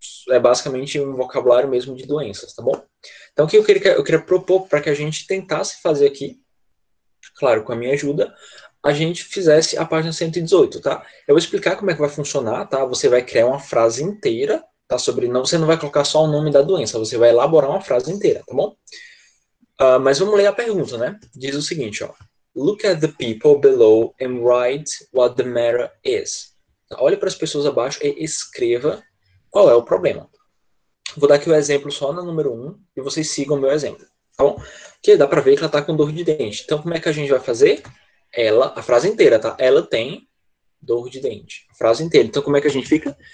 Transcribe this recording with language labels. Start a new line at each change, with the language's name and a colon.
Portuguese: É basicamente um vocabulário mesmo de doenças, tá bom? Então, o que eu queria propor para que a gente tentasse fazer aqui, claro, com a minha ajuda, a gente fizesse a página 118, tá? Eu vou explicar como é que vai funcionar, tá? Você vai criar uma frase inteira, tá? Sobre, não, você não vai colocar só o nome da doença, você vai elaborar uma frase inteira, tá bom? Mas vamos ler a pergunta, né? Diz o seguinte, ó.
English: Look at the people below and write what the matter is.
Portuguese: Olhe para as pessoas abaixo e escreva qual é o problema. Vou dar aqui o exemplo só na número 1 e vocês sigam o meu exemplo, tá bom? Porque dá para ver que ela está com dor de dente. Então, como é que a gente vai fazer? Ela, a frase inteira, tá? Ela tem dor de dente. A frase inteira. Então, como é que a gente fica?